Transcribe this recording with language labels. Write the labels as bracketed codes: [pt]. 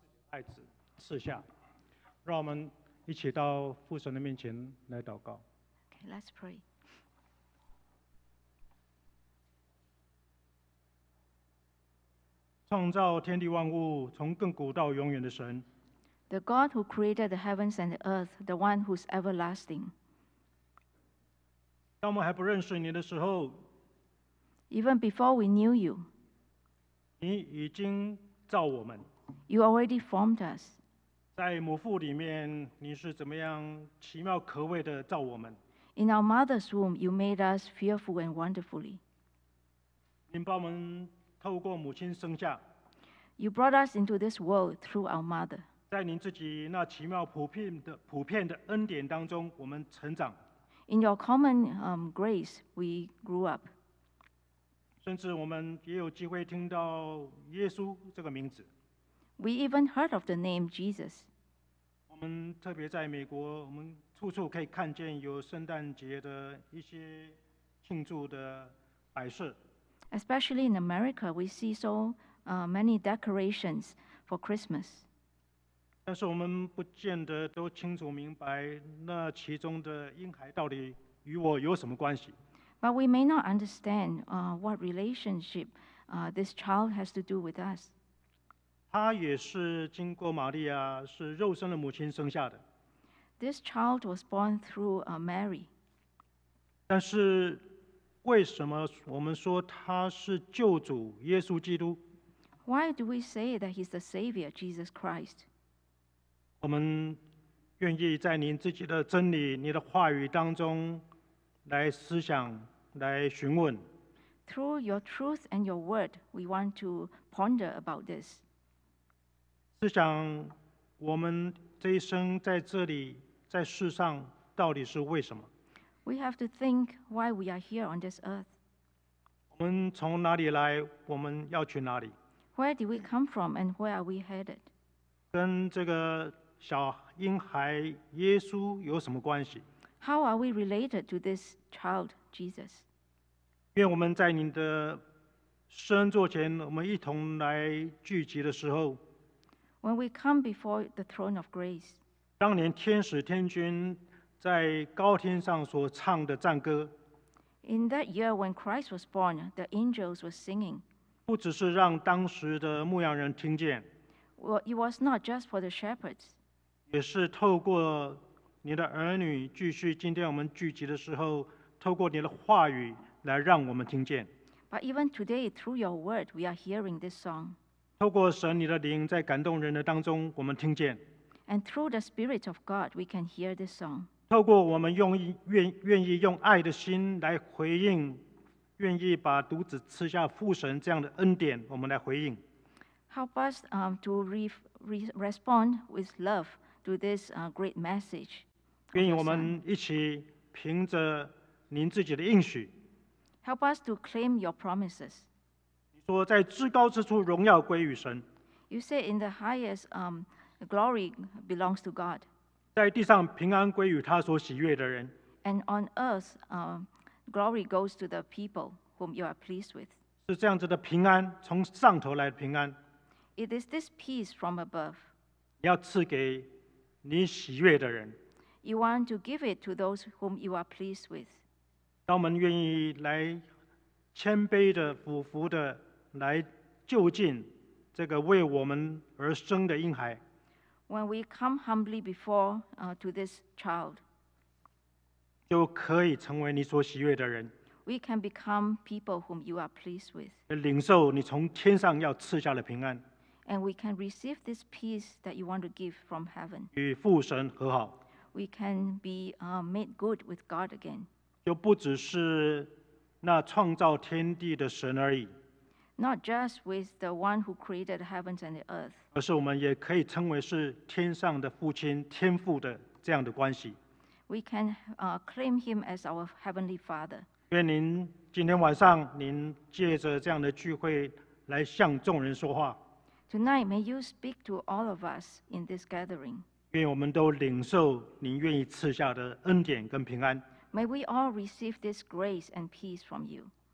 [zh] 爱子赐下。让我们一起到父神的面前来祷告。 [en] Okay, let's pray. [zh] 创造天地万物，从亘古到永远的神。 [en] The God who created the heavens and the earth, the one who's everlasting. [zh] 当我们还不认识你的时候， [en] Even before we knew you, [zh] 你已经造我们。 [en] You already formed us. [zh] 在母腹里面，你是怎么样奇妙可畏的造我们。 [en] In our mother's womb, you made us fearful and wonderfully. [zh] 你把我们透过母亲生下。 [en] You brought us into this world through our mother. [zh] 在您自己那奇妙普遍的恩典当中，我们成长。 [en] In your common grace, we grew up. [zh] 甚至我们也有机会听到耶稣这个名字。 [en] We even heard of the name Jesus. [zh] 我们特别在美国，我们处处可以看见有圣诞节的一些庆祝的摆设。 [en] Especially in America, we see so many decorations for Christmas. [zh] 但是我们不见得都清楚明白那其中的婴孩到底与我有什么关系。 [en] But we may not understand what relationship this child has to do with us. [zh] 他也是经过玛利亚，是肉身的母亲生下的。 [en] This child was born through Mary. [zh] 但是为什么我们说他是救主耶稣基督？ [en] Why do we say that he's the Savior, Jesus Christ? [zh] 我们愿意在您自己的真理、你的话语当中来思想、来询问。 [en] Through your truth and your word, we want to ponder about this. [zh] 思想我们这一生在这里、在世上到底是为什么？ [en] We have to think why we are here on this earth. [zh] 我们从哪里来？我们要去哪里？ [en] Where did we come from and where are we headed? [zh] 跟这个小婴孩耶稣有什么关系？ [en] How are we related to this child, Jesus? [zh] 愿我们在您的施恩座前，我们一同来聚集的时候， [en] When we come before the throne of grace, [zh] 当年天使天君在高天上所唱的赞歌， [en] In that year when Christ was born, the angels were singing. [zh] 不只是让当时的牧羊人听见， [en] It was not just for the shepherds. [zh] 也是透过你的儿女，继续今天我们聚集的时候，透过你的话语来让我们听见。 [en] But even today, through your word, we are hearing this song. [zh] 透过神你的灵在感动人的当中，我们听见。 [en] And through the Spirit of God, we can hear this song. [zh] 透过我们用愿意用爱的心来回应，愿意把独子赐下父神这样的恩典，我们来回应。 [en] Help us to respond with love to this great message. [zh] 愿意我们一起凭着您自己的应许。 [en] Help us to claim your promises. [zh] 你说在至高之处荣耀归于神。 [en] You say in the highest The glory belongs to God. [zh] 在地上平安归于他所喜悦的人。 [en] And on earth, glory goes to the people whom you are pleased with. [zh] 是这样子的平安，从上头来的平安。 [en] It is this peace from above. [zh] 你要赐给你喜悦的人。 [en] You want to give it to those whom you are pleased with. [zh] 当我们愿意来谦卑的、俯伏的来就近这个为我们而生的婴孩。 [en] When we come humbly before to this child, [zh] 就可以成为你所喜悦的人。 [en] We can become people whom you are pleased with. [zh] 领受你从天上要赐下的平安。 [en] And we can receive this peace that you want to give from heaven. [zh] 与父神和好。 [en] We can be made good with God again. [zh] 就不只是那创造天地的神而已。 [en] Not just with the one who created the heavens and the earth. [zh] 而是我们也可以称为是天上的父亲、天父的这样的关系。 [en] We can claim him as our heavenly father. [zh] 愿您今天晚上您借着这样的聚会来向众人说话。 [en] Tonight, may you speak to all of us in this gathering. [zh] 愿我们都领受您愿意赐下的恩典跟平安。 [en] May we all receive this grace and peace from you.